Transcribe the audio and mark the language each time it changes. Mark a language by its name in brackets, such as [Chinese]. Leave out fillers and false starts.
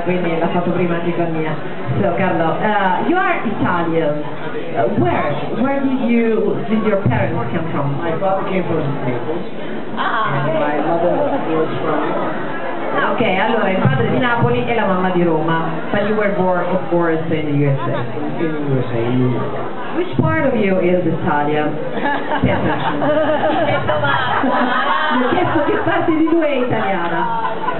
[Italian] Quindi l'ha fatto prima anche con Mia. [English] So Carlo, you are Italian. Where did your parents come from? My father came from Naples. Ah. And my mother was from [Italian] Ok, allora il padre di Napoli e la mamma di Roma. [English] But you were born, of course, in the USA. In the USA, in New York. Which part of you is Italian? [Italian] Mi ha chiesto che parte di lui è italiana.